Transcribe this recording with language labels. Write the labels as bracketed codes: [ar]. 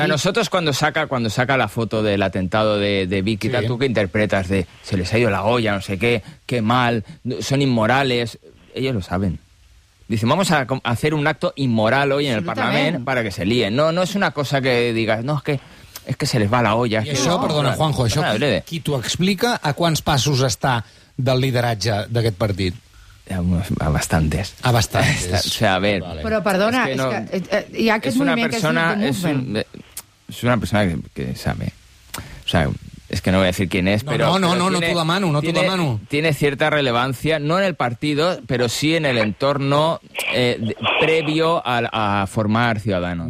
[es] O sea, nosotros cuando saca la foto del atentado de Vicky, sí. Tú que interpretas de se les ha ido la olla, no sé qué, qué mal, son inmorales. Ellos lo saben. Dicen, vamos a hacer un acto inmoral hoy en el Parlamento para que se líen. No, no es una cosa que digas, no, es que se les va la olla. [ca] I això, no, perdona, Juanjo, això, qui t'ho explica, a quants passos està del lideratge d'aquest partit? [es] A bastantes. A bastantes. O sea, a ver... Vale. [ca] Però, perdona, és que, no, és que hi ha aquest moviment que es diu... [es] És una persona que sabe... O sea, es que no voy a decir quién es, no, pero... No, no te lo mano. Tiene cierta relevancia, no en el partido, pero sí en el entorno previo a formar Ciudadanos.